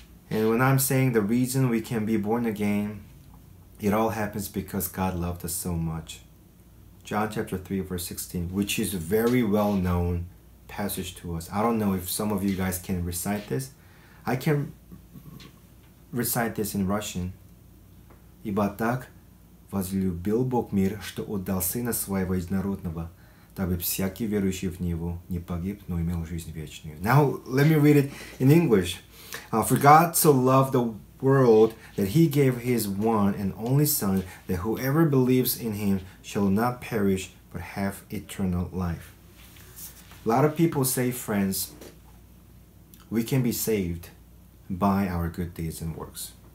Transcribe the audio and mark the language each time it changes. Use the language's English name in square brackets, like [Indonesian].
[English] And when I'm saying the reason we can be born again, it all happens because God loved us so much. John chapter 3 verse 16, which is a very well known passage to us. I don't know if some of you guys can recite this. I can recite this in Russian. [Russian] Ибо так возлюбил Бог мир, что отдал Сына Своего Единородного, дабы всякий верующий в Него не погиб, но имел жизнь вечную. [English] Now, let me read it in English. For God so loved the world that He gave His one and only Son, that whoever believes in Him shall not perish, but have eternal life. A lot of people say, friends, we can be saved by our good deeds and works.